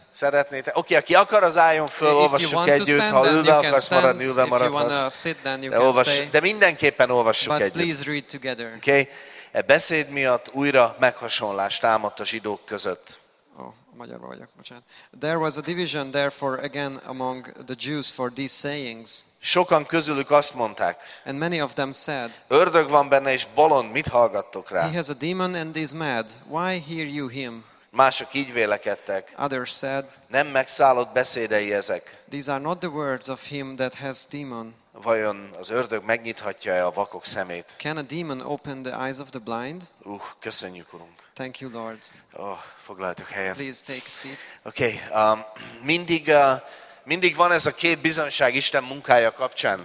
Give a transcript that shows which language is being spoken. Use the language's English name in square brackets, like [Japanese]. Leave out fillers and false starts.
[Hungarian] Szeretnétek? Oké, aki akar, az álljon föl, olvassuk együtt. [English] Stand, [Hungarian] ha ülve akarsz maradni, ülve maradhatsz. De mindenképpen olvassuk [English] but [Hungarian] együtt. [English] Please read together. Okay. [Hungarian] E beszéd miatt újra meghasonlás támadt a zsidók között. Magyarban vagyok, bocsánat. [English] There was a division therefore again among the Jews for these sayings. [Hungarian] Sokan közülük azt mondták. [English] And many of them said. [Hungarian] Ördög van benne és bolond, mit hallgattok rá? [English] He has a demon and is mad. Why hear you him? [Hungarian] Mások így vélekedtek. [English] Others said. [Hungarian] Nem megszállott beszédei ezek. [English] These are not the words of him that has demon. [Hungarian] Vajon az ördög megnyithatja-e a vakok szemét? [English] Can a demon open the eyes of the blind? [Hungarian] Köszönjük, Urunk. [English] Thank you, Lord. [Hungarian] Oh, foglaltok helyet. [English] Please take a seat. [Hungarian] Okay, mindig van ez a két bizonyság Isten munkája kapcsán.